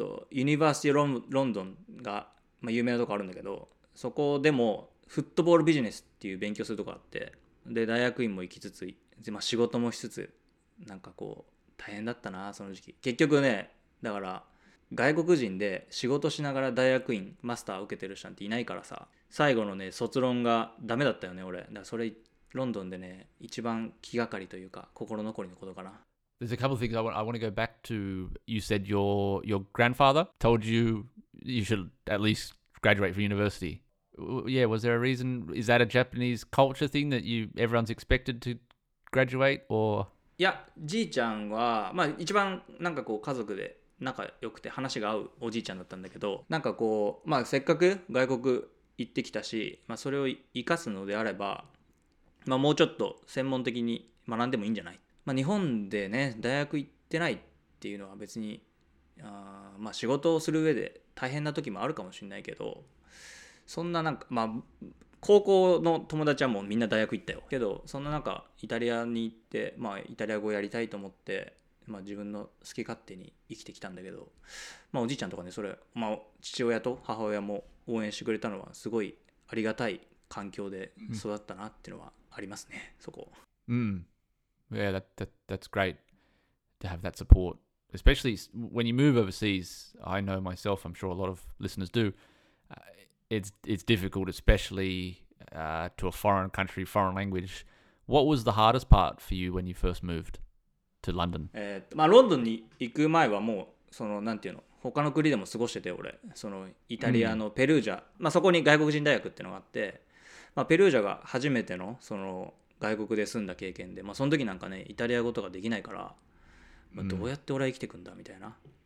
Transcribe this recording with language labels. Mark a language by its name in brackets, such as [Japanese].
[Japanese] ユニバーシティロンドンが、まあ、有名なとこあるんだけど、そこでもフットボールビジネスっていう勉強するとこあって、で大学院も行きつつ、まあ、仕事もしつつ、なんかこう大変だったな、その時期。結局ね、だから外国人で仕事しながら大学院マスター受けてる人なんていないからさ、最後のね卒論がダメだったよね俺。だからそれロンドンでね一番気がかりというか心残りのことかな。 [English] There's a couple of things I want to go back to. You said your grandfather told you you should at least graduate from university. Yeah, was there a reason? Is that a Japanese culture thing that you everyone's expected to graduate? Or [Japanese] yeah, じいちゃんはまあ一番なんかこう家族で仲良くて話が合うおじいちゃんだったんだけど、なんかこうまあせっかく外国行ってきたし、まあそれを生かすのであれば、まあもうちょっと専門的に学んでもいいんじゃない。まあ日本でね大学行ってないっていうのは別にまあ仕事をする上で大変な時もあるかもしれないけど。そんななんか、まあ、高校の友達はもうみんな大学行ったよ。けど、そんな中、イタリアに行って、まあ、イタリア語をやりたいと思って、まあ、自分の好き勝手に生きてきたんだけど、まあ、おじいちゃんとかね、それ、まあ、父親と母親も応援してくれたのは、すごいありがたい環境で育ったなっていうのはありますね、そこ。 [English] Yeah, that's great to have that support. Especially when you move overseas, I know myself, I'm sure a lot of listeners do. It's difficult, especially to a foreign country, foreign language. What was the hardest part for you when you first moved to London? [Japanese] まあ、ロンドンに行く前はもうそのなんていうの、他の国でも過ごしてて俺、そのイタリアのペルージャ、まあそこに外国人大学ってのがあって、まあペルージャが初めてのその外国で住んだ経験で、まあその時なんかねイタリア語とかできないから、まあ、どうやって俺は生きていくんだみたいな。